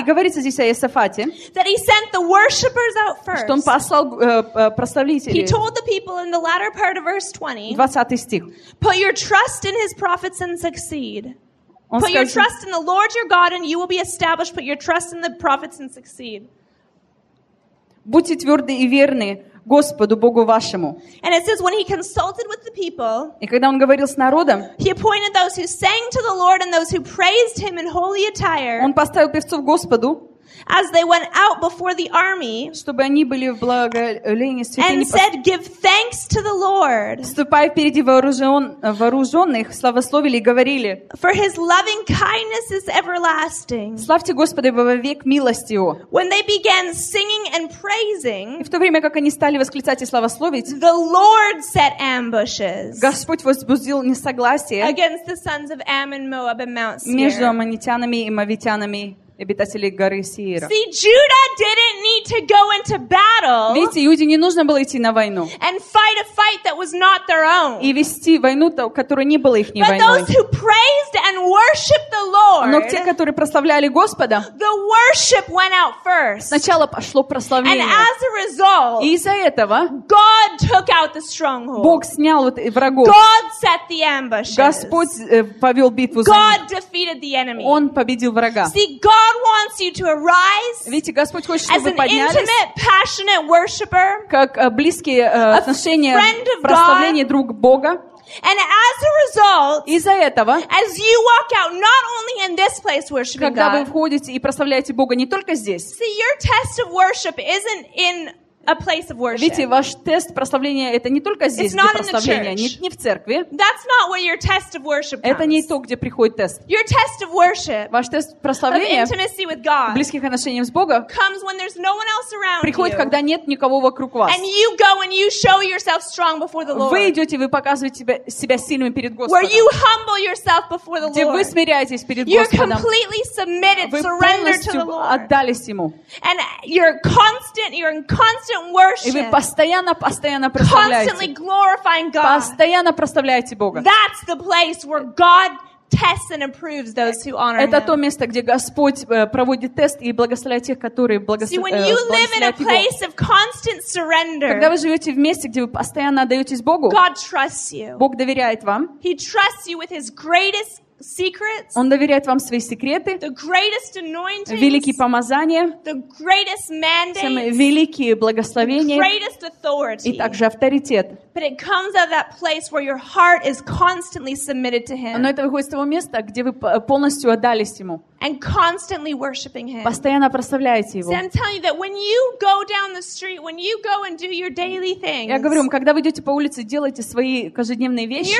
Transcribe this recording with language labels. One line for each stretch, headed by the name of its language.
Russian: И говорится здесь о Иосафате.
English: That he sent the worshippers out first.
Russian: Что он послал прославителей.
English: He told the people in the latter part of verse 20.
Russian: 20 стих.
English: Put your trust in his prophets. And succeed. Put your trust in the Lord your God, and you will be established. Put your trust in the prophets and succeed.
Russian: Будьте твёрды и верны Господу Богу вашему.
English: And it says when he consulted with the people,
Russian: и когда он говорил с народом,
English: he appointed those who sang to the Lord and those who praised him in holy attire.
Russian: Он поставил певцов Господу.
English: As they went out before the army,
Russian: чтобы они были в благолении святыми,
English: and said, "Give thanks to the Lord."
Russian: Ступая впереди вооруженных, славословили и говорили,
English: "For His loving kindness is everlasting."
Russian: Славьте Господа во век милости Его.
English: When they began singing and praising,
Russian: и в то время как они стали восклицать и славословить,
English: the Lord set ambushes.
Russian: Господь возбудил несогласие
English: against the sons of Ammon, Moab, and Mount Seir.
Russian: Между аммонитянами и моавитянами. Обитатели горы Сиира.
English: See, Judah didn't need to go into battle.
Russian: Видите, Иуде не нужно было идти на войну.
English: And fight a fight that was not their own.
Russian: И вести войну, которая не была их войной.
English: But those who praised and worshipped the Lord.
Russian: Но те, которые прославляли Господа.
English: The worship went out first.
Russian: Сначала пошло прославление.
English: And as a result.
Russian: И из-за этого.
English: God took out the stronghold.
Russian: Бог снял вот врагов.
English: God set the ambushes.
Russian: Господь повел битву.
English: God defeated the enemy.
Russian: Он победил врага.
English: See, God wants you to arise.
Russian: Видите, Господь хочет, чтобы вы поднялись.
English: As an intimate, passionate worshipper.
Russian: Как близкие отношения, прославление друг Бога.
English: And as a result,
Russian: из-за этого,
English: as you walk out, not only in this place worshiping God.
Russian: Когда вы входите и прославляете Бога не только здесь.
English: See, your test of worship isn't in a place of worship.
Russian: Видите, ваш тест прославления это не только здесь, где прославление, не в церкви.
English: That's not where your test of worship comes.
Russian: Это не то, где приходит тест.
English: Your test of worship.
Russian: Ваш тест прославления.
English: Of intimacy with God.
Russian: Близких отношений с Богом.
English: Comes when there's no one else around.
Russian: Приходит,
English: you.
Russian: Когда нет никого вокруг вас.
English: And you go and you show yourself strong before the Lord.
Russian: Вы идете, вы показываете себя сильным перед Господом.
English: Where you humble yourself before the Lord.
Russian: Где вы смиряетесь перед
English: you're
Russian: Господом.
English: You're completely submitted, surrender to the Lord.
Russian: Вы полностью отдались ему.
English: And you're in constant worship.
Russian: И вы постоянно прославляете.
English: Constantly glorifying God.
Russian: Постоянно прославляете Бога.
English: That's the place where God tests and approves those who honor Him.
Russian: Это то место, где Господь проводит тест и благословляет тех, которые благословляют Его.
English: See, when you live in a place of constant surrender,
Russian: когда вы живете в месте, где вы постоянно отдаетесь Богу,
English: God trusts you.
Russian: Бог доверяет вам.
English: He trusts you with His greatest secrets,
Russian: Он доверяет вам свои секреты,
English: the greatest anointings,
Russian: великие помазания,
English: the greatest mandates,
Russian: самые великие благословения,
English: the greatest authority,
Russian: и также авторитет.
English: But it comes out of that place where your heart is constantly submitted to Him.
Russian: Но это выходит из того места, где вы полностью отдались Ему.
English: And constantly worshiping Him.
Russian: Постоянно прославляете Его.
English: See, I'm telling you that when you go down the street, when you go and do your daily things,
Russian: я говорю вам, когда вы идете по улице, делаете свои каждодневные вещи,